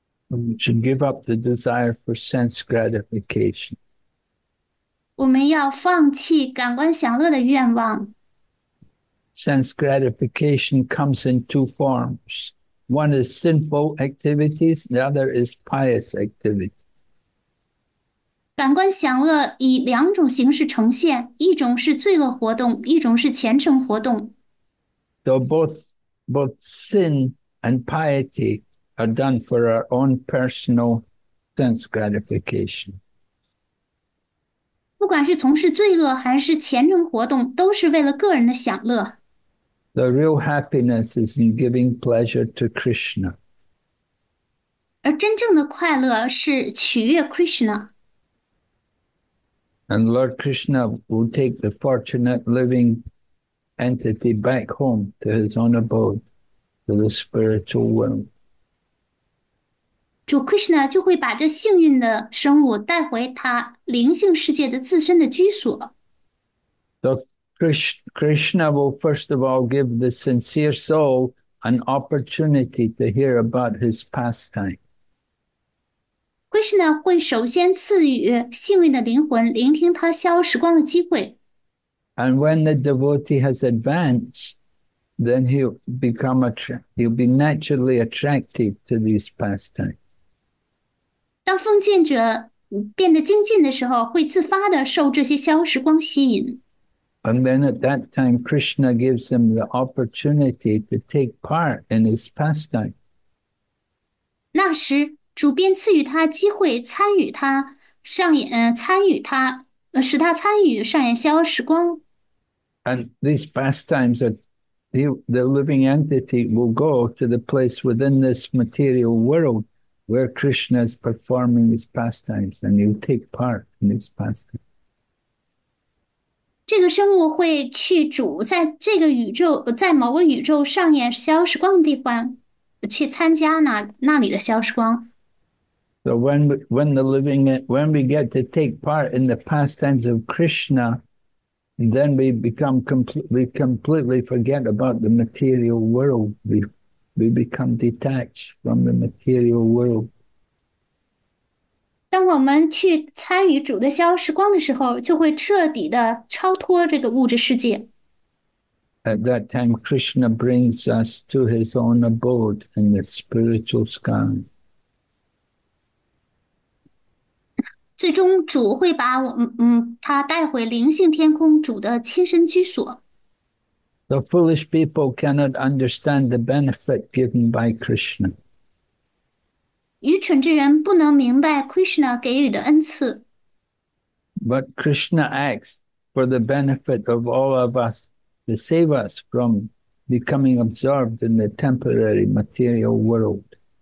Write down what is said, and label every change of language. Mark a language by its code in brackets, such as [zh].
[en] We should give up the desire for sense gratification. [zh] 我们要放弃感官享乐的愿望。 [en] Sense gratification comes in two forms. One is sinful activities, the other is pious activities. [zh] 感官享乐以两种形式呈现，一种是罪恶活动，一种是虔诚活动。 [en] So both sin and piety are done for our own personal sense gratification. [zh] 不管是从事罪恶还是虔诚活动，都是为了个人的享乐。 [en] The real happiness is in giving pleasure to Krishna. [zh] 而真正的快乐是取悦 Krishna。 [en] And Lord Krishna will take the fortunate living entity back home to his own abode, to the spiritual world. [zh] 主 Krishna 就会把这幸运的生物带回他灵性世界的自身的居所。 [en] Krishna will first of all give the sincere soul an opportunity to hear about his pastime. [zh] Krishna 会首先赐予幸运的灵魂聆听他逍遥时光的机会。 [en] And when the devotee has advanced, then he'll be naturally attracted to these pastimes. [zh] 当奉献者变得精进的时候，会自发地受这些逍遥时光吸引。 [en] And then at that time, Krishna gives him the opportunity to take part in his pastime. [zh] 那时，主便赐予他机会参与他上演，参与他，使他参与上演逍遥时光。 [en] And these pastimes are the living entity will go to the place within this material world where Krishna is performing his pastimes, and he'll take part in his pastimes. [zh] 这个生物会去主在这个宇宙，在某个宇宙上演逍遥时光的地方，去参加那里的逍遥时光。 [en] So when we get to take part in the pastimes of Krishna, then we completely forget about the material world. We become detached from the material world. [zh] 当我们去参与主的逍遥时光的时候，就会彻底的超脱这个物质世界。 [en] At that time, Krishna brings us to his own abode in the spiritual sky. [zh] 最终，主会把我们，他带回灵性天空，主的栖身居所。 [en] The foolish people cannot understand the benefit given by Krishna. [zh] 愚蠢之人不能明白 Krishna 给予的恩赐。 [en] But Krishna acts for the benefit of all of us to save us from becoming absorbed in the temporary material world.